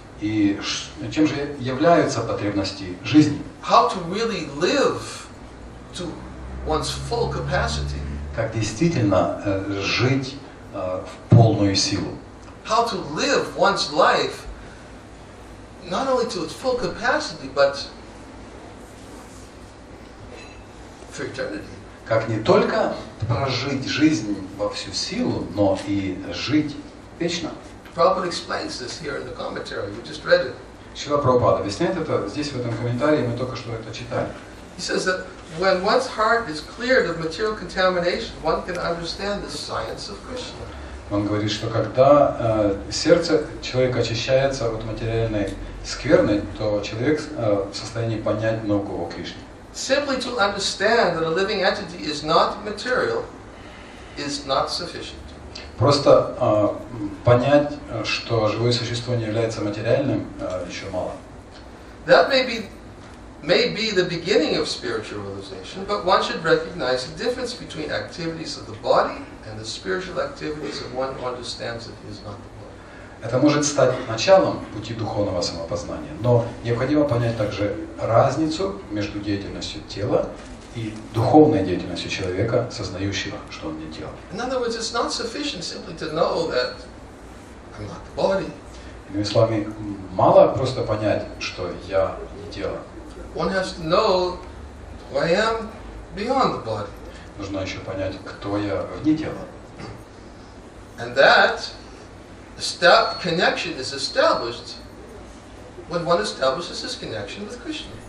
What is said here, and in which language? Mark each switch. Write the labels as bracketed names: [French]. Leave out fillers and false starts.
[Russian] И чем же являются потребности жизни? [English] How to really live to one's full capacity? [Russian] Как действительно жить в полную силу? [English] How to live one's life not only to its full capacity, but for eternity? [Russian] Как не только прожить жизнь во всю силу, но и жить вечно? [English] Prabhupada explains this here in the commentary. We just read it. [Russian] Шрила Прабхупада объясняет это здесь в этом комментарии. Мы только что это читали. [English] He says that when one's heart is cleared of material contamination, one can understand the science of Krishna. [Russian] Он говорит, что когда сердце человека очищается от материальной скверны, то человек в состоянии понять науку о Кришне. [English] Simply to understand that a living entity is not material is not sufficient. [Russian] Просто понять, что живое существо не является материальным, еще мало. [English] That may be may be the beginning of spiritual realization, but one should recognize the difference between activities of the body and the spiritual activities of one who understands that he is not the body. [Russian] Это может стать началом пути духовного самопознания, но необходимо понять также разницу между деятельностью тела и духовной деятельностью человека, сознающего, что он не тело. [English] In other words, it's not sufficient simply to know that I'm not the body. [Russian] Иными словами, мало просто понять, что я не тело. [English] One has to know who I am beyond the body. [Russian] Нужно еще понять, кто я вне тела. [English] And that connection is established when one establishes this connection with Krishna.